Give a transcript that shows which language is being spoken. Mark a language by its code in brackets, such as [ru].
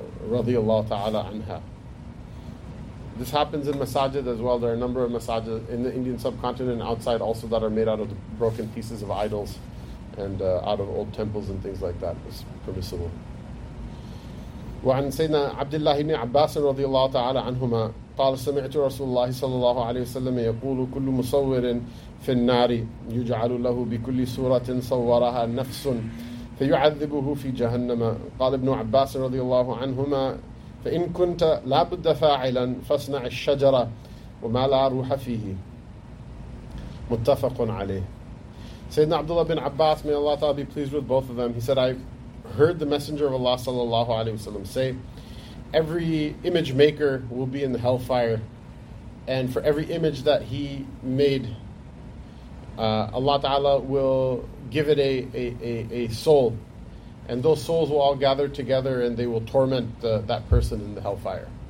[en] Radiallahu ta'ala anha. This happens in masajid as well. There are a number of masajid in the Indian subcontinent and outside also that are made out of the broken pieces of idols and out of old temples and things like that. It's permissible. [ar] وعن سيدنا عبد الله بن عباس رضي الله تعالى عنهما قال سمعت رسول الله صلى الله عليه وسلم يقول كل مصور في النار يجعل له بكل سورة صورها نفس فيعذبه في جهنم قال ابن عباس رضي الله عنهما فإن كنت لابد فاعلا فاصنع الشجرة وما لا روح فيه متفق عليه. [en] سيدنا عبد الله بن عباس, may Allah ta'ala be pleased with both of them, he said, I've heard the Messenger of Allah sallallahu alaihi wasallam say, every image maker will be in the hellfire, and for every image that he made, Allah ta'ala will give it a soul, and those souls will all gather together and they will torment that person in the hellfire.